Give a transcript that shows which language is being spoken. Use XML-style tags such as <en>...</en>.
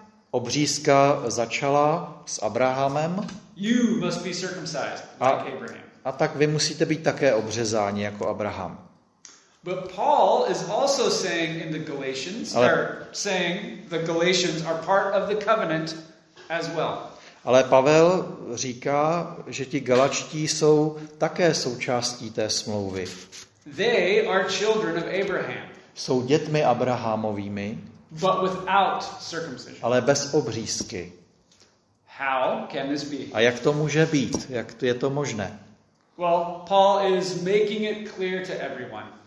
<cs>Obřízka začala s Abrahamem.</cs> <en>You must be circumcised like Abraham.</en> <cs>A tak vy musíte být také obřezáni jako Abraham.</cs> <en>But Paul is also saying in the Galatians, or saying the Galatians are part of the covenant as well.</en> <cs>Ale Pavel říká, že ti Galačtí jsou také součástí té smlouvy.</cs> <en>They are children of Abraham.</en> <cs>Jsou dětmi Abrahamovými,</cs> <en>but without circumcision.</en> <cs>Ale bez obřízky.</cs> <en>How can this be?</en> <cs>A jak to může být? Jak je to možné?</cs> <en>Well, Paul is making it clear to everyone.</en>